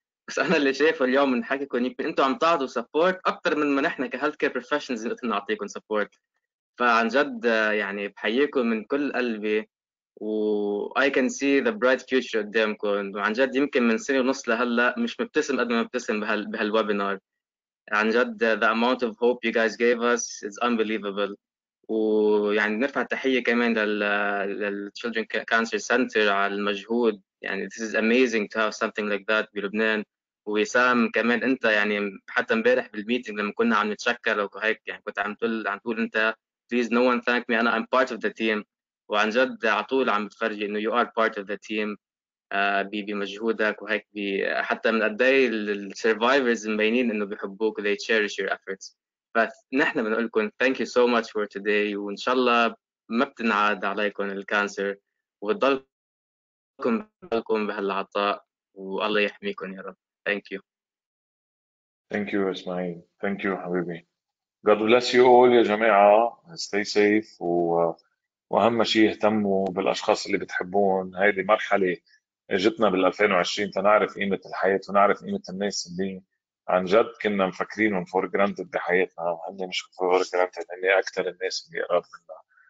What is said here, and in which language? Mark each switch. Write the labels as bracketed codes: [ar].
[ar] بس انا اللي شايفه اليوم من حكيكم يمكن انتم عم تعطوا سبورت اكثر من ما نحن كهيلث كير بروفيشنز بدنا نعطيكم سبورت. فعن جد يعني بحييكم من كل قلبي و [en] I can see the bright future [ar] قدامكم. وعن جد يمكن من سنه ونص لهلا مش مبتسم قد ما مبتسم بهالويبينار. عن جد [en] the amount of hope you guys gave us is unbelievable. [ar] ويعني نرفع تحيه كمان لل children cancer center على المجهود. يعني [en] this is amazing to have something like that [ar] بلبنان. ووسام كمان انت يعني حتى امبارح بالميتنج لما كنا عم نتشكر وهيك يعني كنت عم تقول انت [en] please no one thank me [ar] انا [en] I'm part of the team. [ar] وعن جد على طول عم تفرجي انه [en] you are part of the team [ar] بمجهودك وهيك حتى من قدي ال survivors مبينين انه بحبوك [en] they cherish your efforts. [ar] فنحن بنقول لكم [en] thank you so much for today [ar] وان شاء الله ما بتنعاد عليكم الكانسر وتضل لكم بحلكم بهالعطاء والله يحميكم يا رب. [en] Thank you. Thank you Ismail. Thank you [ar] حبيبي. [en] God bless you all [ar] يا جماعة. [en] Stay safe [ar] وأهم شيء اهتموا بالأشخاص اللي بتحبون. هذه مرحلة جتنا بال 2020 تنعرف قيمة الحياة ونعرف قيمة الناس اللي عن جد كنا مفكرينهم [en] for granted [ar] بحياتنا وهم مش for granted اللي أكثر الناس اللي قرب منا.